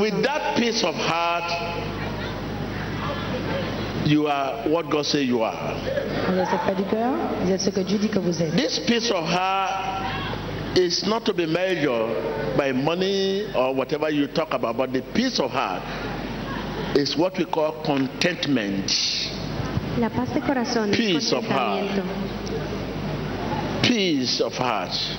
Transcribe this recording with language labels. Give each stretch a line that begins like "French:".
English: With that peace of heart, you are what God says you are.
French: Vous êtes cette paix de cœur. Vous êtes ce que Dieu dit que vous êtes.
English: This peace of heart is not to be measured by money or whatever you talk about, but the peace of heart is what we call contentment.
Spanish: La paz de corazón.
English: Peace of heart. Peace of heart.